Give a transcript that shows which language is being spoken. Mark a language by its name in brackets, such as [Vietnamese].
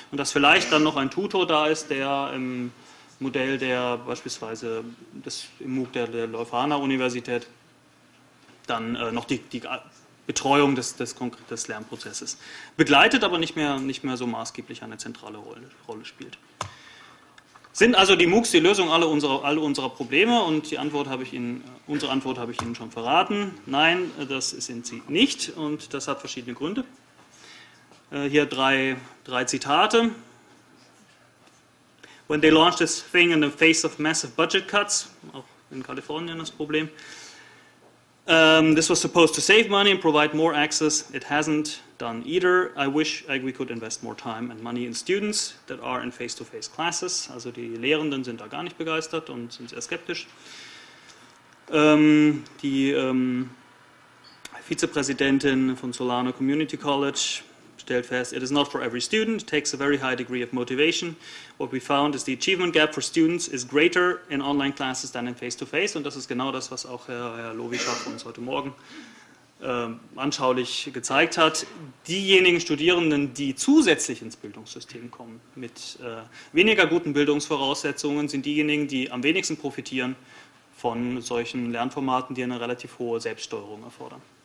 [German] Und dass vielleicht dann noch ein Tutor da ist, der im Modell der beispielsweise das im MOOC der Leuphana-Universität dann noch die Betreuung des Lernprozesses begleitet, aber nicht mehr so maßgeblich eine zentrale Rolle spielt. Sind also die MOOCs die Lösung all unserer Probleme? Und unsere Antwort habe ich Ihnen schon verraten. Nein, das sind sie nicht und das hat verschiedene Gründe. Hier drei Zitate. [English] When they launched this thing in the face of massive budget cuts, [German] auch in Kalifornien das Problem, [English] this was supposed to save money and provide more access. It hasn't done either. I wish we could invest more time and money in students that are in face-to-face classes. [German] Also die Lehrenden sind da gar nicht begeistert und sind sehr skeptisch. Die Vizepräsidentin von Solana Community College stellt fest, [English] it is not for every student. It takes a very high degree of motivation. What we found is the achievement gap for students is greater in online classes than in face-to-face. [German] Und das ist genau das, was auch Herr Lovischer von uns heute Morgen anschaulich gezeigt hat. Diejenigen Studierenden, die zusätzlich ins Bildungssystem kommen, mit weniger guten Bildungsvoraussetzungen, sind diejenigen, die am wenigsten profitieren von solchen Lernformaten, die eine relativ hohe Selbststeuerung erfordern.